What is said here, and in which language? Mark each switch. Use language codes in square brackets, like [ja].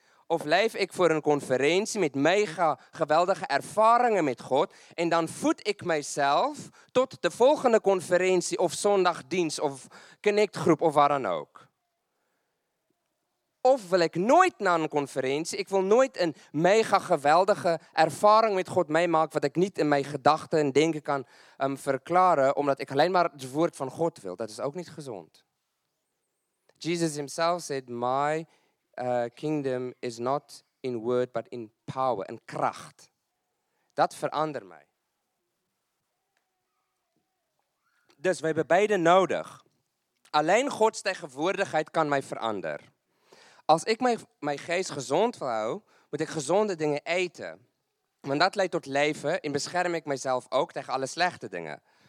[nl] Of leef ik voor een conferentie met mega geweldige ervaringen met God en dan voed ik mezelf tot de volgende conferentie of zondagdienst of connectgroep of waar dan ook? of wil ik nooit naar een conferentie. Ik wil nooit een mega geweldige ervaring met God meemaken wat ik niet in mijn gedachten en denken kan verklaren, omdat ik alleen maar het woord van God wil. Dat is ook niet gezond. [en] Jesus himself said, my kingdom is not in word, but in power, [nl] in kracht. Dat verandert mij. Dus we hebben beide nodig. Alleen Gods tegenwoordigheid kan mij veranderen. Als ik mijn geest gezond wil houden, moet ik gezonde dingen eten. Want dat leidt tot leven en bescherm ik mezelf ook tegen alle slechte dingen.